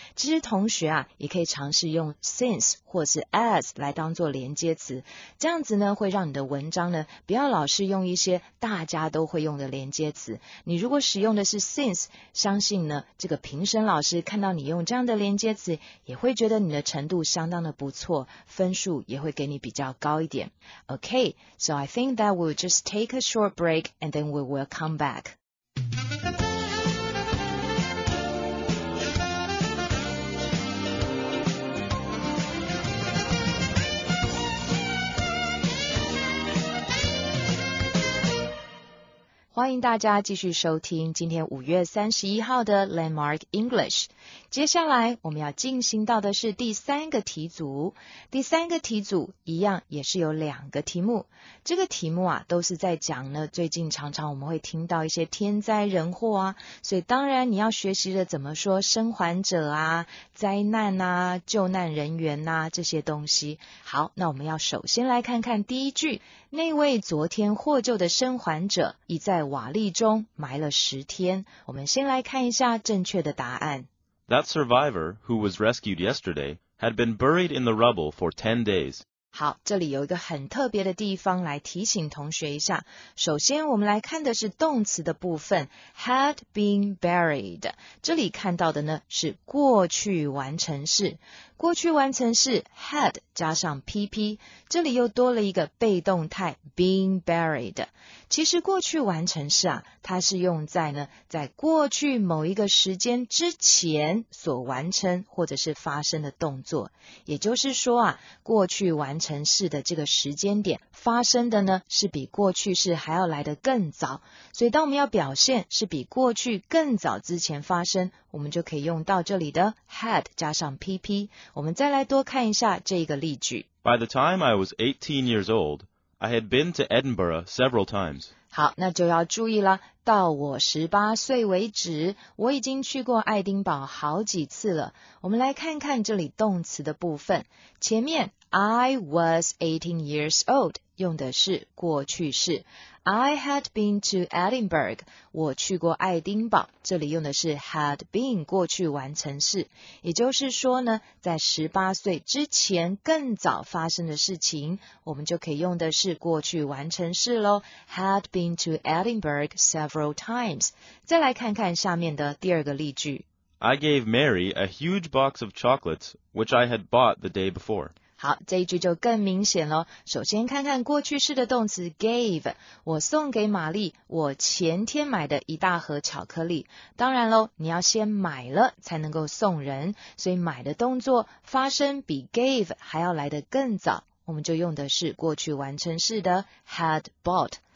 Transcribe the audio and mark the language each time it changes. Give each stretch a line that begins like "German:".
Chinese: 其实同学啊，也可以尝试用 since 或是 as 来当作连接词，这样子呢，会让你的文章呢，不要老是用一些大家都会用的连接词。你如果使用的是 since， 相信呢，这个评审老师看到你用这样的连接词，也会觉得你的程度相当的不错，分数也会给你比较高一点。
English: Okay, so I think that we'll just take a short break. And then we will come back.
Chinese: 欢迎大家继续收听今天5月31号的 Landmark English。接下来我们要进行到的是第三个题组。第三个题组一样也是有两个题目。这个题目啊都是在讲呢最近常常我们会听到一些天灾人祸啊，所以当然你要学习的怎么说生还者啊、灾难啊、救难人员啊这些东西。好，那我们要首先来看看第一句。那位昨天获救的生还者已在瓦砾中埋了10天。我们先来看一下正确的答案。
English: That survivor, who was rescued yesterday, had been buried in the rubble for 10 days.
Chinese: 好，这里有一个很特别的地方来提醒同学一下。首先我们来看的是动词的部分 ,
English: had been buried。
Chinese: 这里看到的呢是过去完成式。过去完成式 had 加上 PP， 这里又多了一个被动态
English: being buried。
Chinese: 其实过去完成式啊，它是用在呢在过去某一个时间之前所完成或者是发生的动作。也就是说啊，过去完成式的这个时间点发生的呢，是比过去式还要来得更早。所以当我们要表现是比过去更早之前发生，我们就可以用到这里的 had 加上 PP。我们再来多看一下这一个例句。
English: By the time I was 18 years old, I had been to Edinburgh several times.
Chinese: 好，那就要注意了，到我18岁为止，我已经去过爱丁堡好几次了。我们来看看这里动词的部分，前面
English: I was 18 years old
Chinese: 用的是过去式，
English: I had been to Edinburgh，
Chinese: 我去过爱丁堡，这里用的是 had been 过去完成式，也就是说呢，在18岁之前更早发生的事情，我们就可以用的是过去完成式咯，
English: had been to Edinburgh several times。
Chinese: 再来看看下面的第二个例句。
English: I gave Mary a huge box of chocolates which I had bought the day before。
Chinese: 好，这一句就更明显了。首先看看过去式的动词 gave， 我送给玛丽我前天买的一大盒巧克力。当然咯，你要先买了才能够送人，所以买的动作发生比 gave 还要来得更早，我们就用的是过去完成式的
English: had bought。